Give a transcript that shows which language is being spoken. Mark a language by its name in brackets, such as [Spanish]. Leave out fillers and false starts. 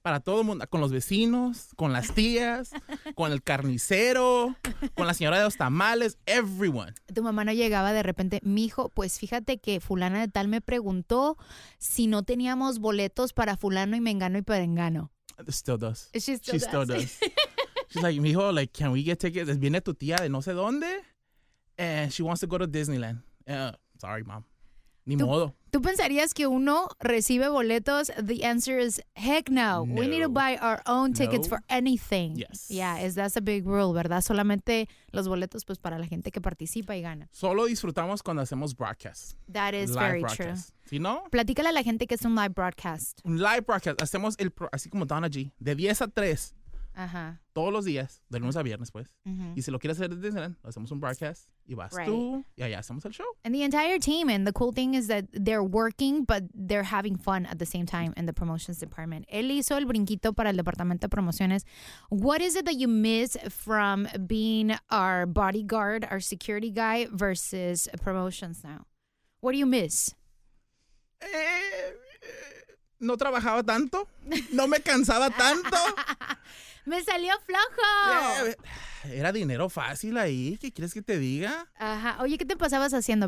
[Spanish] Para todo el mundo, con los vecinos, con las tías, con el carnicero, con la señora de los tamales, [English] everyone. [Spanish] Tu mamá no llegaba de repente, mijo, pues fíjate que fulana de tal me preguntó si no teníamos boletos para fulano y mengano y perengano. [English] Still does. She still does. She's like, mijo, like, can we get tickets? [Spanish] Viene tu tía de no sé dónde. [English] And she wants to go to Disneyland. Sorry, mom. [Spanish] Ni modo. ¿Tú pensarías que uno recibe boletos? [English] The answer is heck no. We need to buy our own tickets for anything. Yes. Yeah, that's a big rule, [Spanish] ¿verdad? Solamente los boletos pues para la gente que participa y gana. Solo disfrutamos cuando hacemos broadcast. That is live very broadcast. True. ¿Sí, no? Platícale a la gente que es un live broadcast. Un live broadcast. Hacemos así como Donna G, de 10 a 3. Ajá. Todos los días, de lunes a viernes, pues. Mm-hmm. Y si lo quieres hacer desde Instagram, hacemos un broadcast y vas [English] right. [Spanish] tú y allá hacemos el show. [English] And the entire team, and the cool thing is that they're working, but they're having fun at the same time in the promotions department. [Spanish] Él hizo el brinquito para el departamento de promociones. [English] What is it that you miss from being our bodyguard, our security guy, versus promotions now? What do you miss? [Spanish] no trabajaba tanto, no me cansaba tanto. ¡Me salió flojo! Era dinero fácil ahí, ¿qué quieres que te diga? Ajá. Oye, ¿qué te pasabas haciendo?